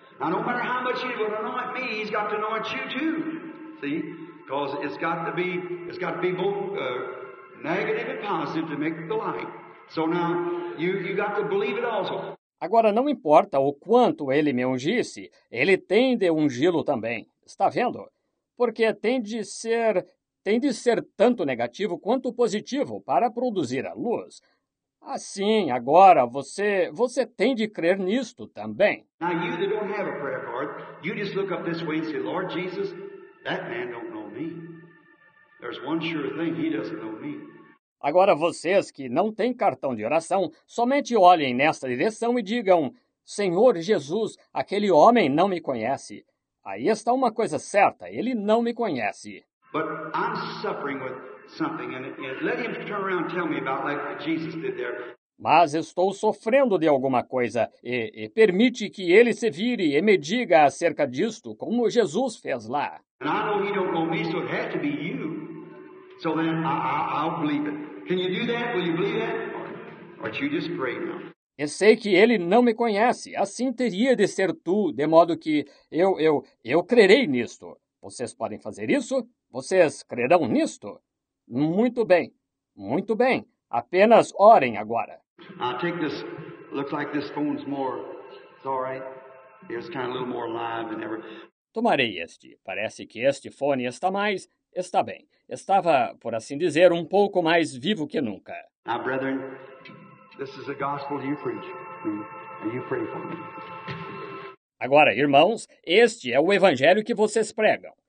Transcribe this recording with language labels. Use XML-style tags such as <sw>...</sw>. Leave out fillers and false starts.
<en>Now, no matter how much he's going to anoint me, he's got to anoint you too. See? Because it's got to be both negative and positive to make the light. So now, you got to believe it also.</en> <pt>Agora, não importa o quanto ele me ungisse, ele tem de ungi-lo também. Está vendo? Porque tem de ser tanto negativo quanto positivo para produzir a luz. Assim, agora, você tem de crer nisto também.</pt> <en>Now, you that don't have a prayer card, you just look up this way and say, "Lord Jesus, that man don't know me. There's one sure thing, he doesn't know me."</en> <pt>Agora, vocês que não têm cartão de oração, somente olhem nesta direção e digam, "Senhor Jesus, aquele homem não me conhece." Aí está uma coisa certa, ele não me conhece.</pt> <en>But I'm suffering with something, and let him turn around and tell me about like Jesus did there.</en> <pt>Mas estou sofrendo de alguma coisa, e permite que ele se vire e me diga acerca disto, como Jesus fez lá.</pt> <en>And I know he don't know me, so it had to be you. So then I'll believe it. Can you do that? Will you believe that? Or you just pray now.</en> <pt>E sei que ele não me conhece, assim teria de ser tu, de modo que eu crerei nisto. Vocês podem fazer isso? Vocês crerão nisto? Muito bem. Muito bem. Apenas orem agora.</pt> <en>I'll take this. Looks like this phone's more. It's all right. It's kind of a little more alive than ever.</en> <pt>Tomarei este. Parece que este fone está mais. Está bem. Estava, por assim dizer, um pouco mais vivo que nunca.</pt> <en>Now, brethren, this is a gospel you preach. And you pray for me.</en> <pt>Agora, irmãos, este é o evangelho que vocês pregam.</pt>